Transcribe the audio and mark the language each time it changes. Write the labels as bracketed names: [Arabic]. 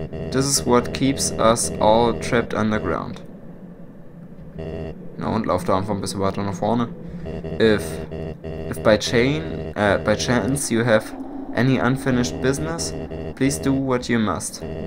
[English] This is what keeps us all trapped underground. [German] Na und lauf da einfach ein bisschen weiter nach vorne. [English] If by chance you have any unfinished business, please do what you must.